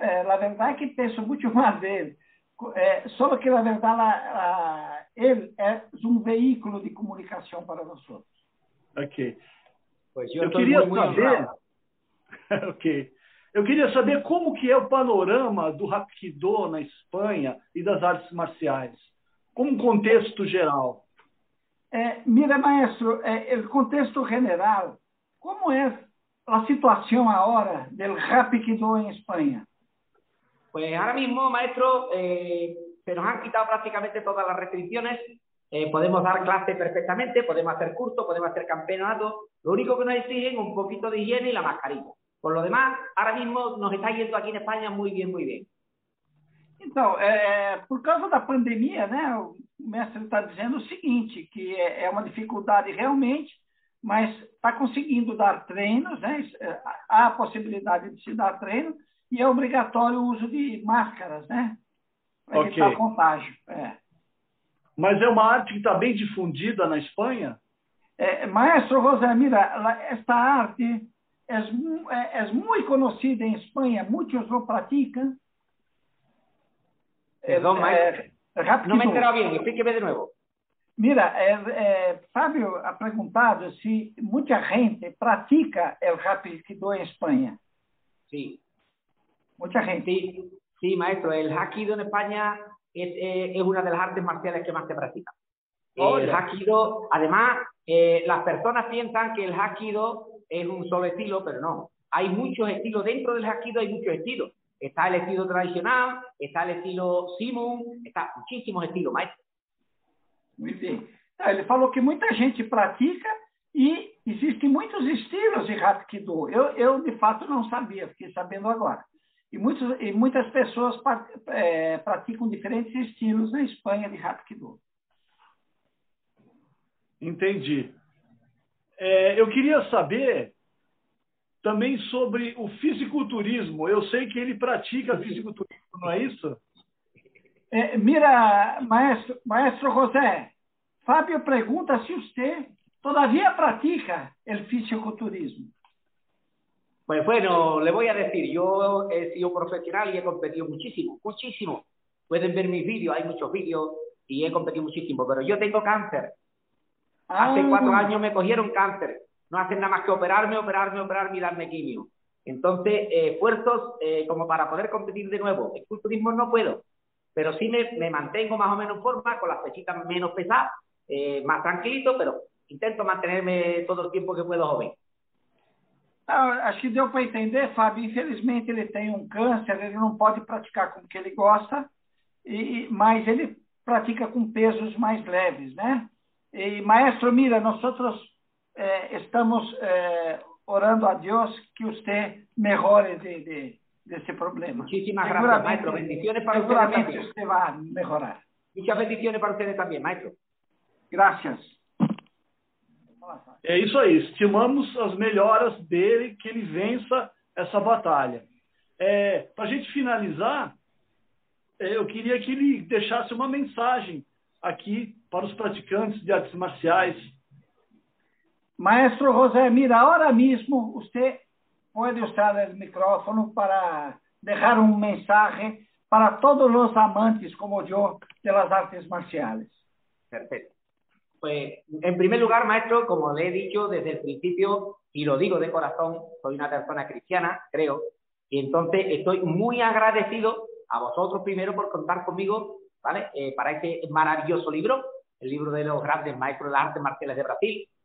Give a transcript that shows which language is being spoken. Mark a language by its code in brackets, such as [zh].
[pt] a verdade é que penso muito mais dele. Só que, na verdade, ele é um veículo de comunicação para nós. Ok. Pues eu queria muy saber, Ok. Eu queria saber como que é o panorama do Hapkido na Espanha e das artes marciais, como contexto geral. Mira, maestro, o contexto general, como é a situação agora do Hapkido em Espanha? [es] Pues ahora mismo, maestro, se nos han quitado prácticamente todas las restricciones. Podemos dar clase perfectamente, podemos hacer curso, podemos hacer campeonato. Lo único que nos exigen un poquito de higiene y la mascarilla. Por lo demás, ahora mismo nos está yendo aquí en España muy bien, muy bien. Entonces, por causa de la pandemia, ¿no? El mestre está diciendo lo siguiente, que es una dificultad realmente, [pt] mas está conseguindo dar treinos, [es] ¿no? [pt] Há a posibilidad de se dar treino. E é obrigatório o uso de máscaras, né? Para okay. evitar contágio. Mas é uma arte que está bem difundida na Espanha? Maestro José, mira, esta arte é muito conhecida em Espanha, muitos o praticam. Perdão, maestro. Não me enterou bem, explique-me de novo. Mira, Fábio ha perguntado se muita gente pratica o Hapkido em Espanha. Sim. Sí. [es] Mucha gente. Sí, sí, maestro, el Hapkido en España es una de las artes marciales que más se practica. El Hapkido, además, las personas piensan que el Hapkido es un solo estilo, pero no. Hay muchos estilos dentro del Hapkido, hay muchos estilos. Está el estilo tradicional, está el estilo Simón, está muchísimos estilos, maestro. Muy bien. Él falou que mucha gente practica y existen muchos estilos de Hapkido. Yo [pt] de fato [es] no sabía, fiquei sabiendo ahora. [pt] E muitas pessoas praticam diferentes estilos na Espanha de Hapkido. Entendi. Eu queria saber também sobre o fisiculturismo. Eu sei que ele pratica fisiculturismo, não é isso? Mira, maestro José, Fábio pergunta se você todavia pratica o fisiculturismo. [es] Pues bueno, le voy a decir, yo he sido profesional y he competido muchísimo, muchísimo. Pueden ver mis vídeos, hay muchos vídeos y he competido muchísimo, pero yo tengo cáncer. Hace 4 años me cogieron cáncer. No hacen nada más que operarme y darme quimio. Entonces, esfuerzos como para poder competir de nuevo. En culturismo no puedo, pero sí me mantengo más o menos en forma, con las pechitas menos pesadas, más tranquilito, pero intento mantenerme todo el tiempo que puedo joven. [pt] Acho que deu para entender, Fábio. Infelizmente, ele tem um câncer, ele não pode praticar com o que ele gosta, mas ele pratica com pesos mais leves, né? E, maestro, mira, nós estamos orando a Deus que você melhore desse problema. [es] Muchísimas gracias, maestro. Bendiciones para [pt] você também. Você vai melhorar. [es] Muchas bendiciones [pt] para você também, [es] maestro. Gracias. [pt] É isso aí, estimamos as melhoras dele, que ele vença essa batalha. Para a gente finalizar, eu queria que ele deixasse uma mensagem aqui para os praticantes de artes marciais. Maestro José, mira, agora mesmo você pode usar o micrófono para deixar um mensagem para todos os amantes, como eu, pelas artes marciais. Perfeito. [es] Pues, en primer lugar, maestro, como le he dicho desde el principio, y lo digo de corazón, soy una persona cristiana, creo, y entonces estoy muy agradecido a vosotros primero por contar conmigo, ¿vale? Para este maravilloso libro, el libro de los grandes maestros de las artes marciales de Brasil.